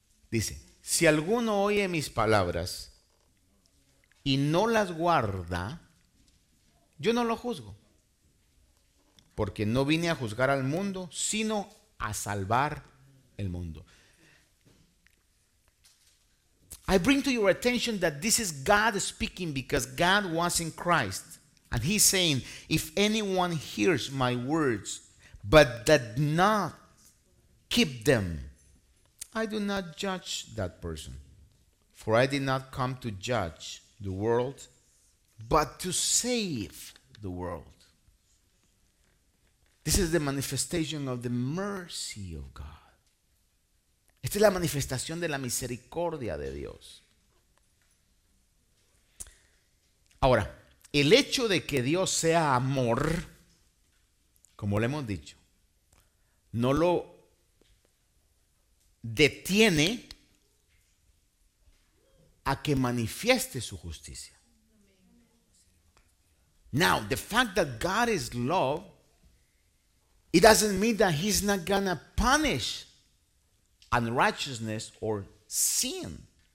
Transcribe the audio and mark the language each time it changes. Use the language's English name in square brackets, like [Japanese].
[Spanish] Dice, si alguno oye mis palabras y no las guarda, yo no lo juzgo, porque no vine a juzgar al mundo, sino a salvar el mundo. [English] I bring to your attention that this is God speaking, because God was in Christ. And he's saying, if anyone hears my words but does not keep them, I do not judge that person. For I did not come to judge the world, but to save the world. This is the manifestation of the mercy of God. [Spanish] Esta es la manifestación de la misericordia de Dios. Ahora, el hecho de que Dios sea amor, como le hemos dicho, no lo detiene a que manifieste su justicia. [English] Now, the fact that God is love, it doesn't mean that he's not gonna punish unrighteousness or sin.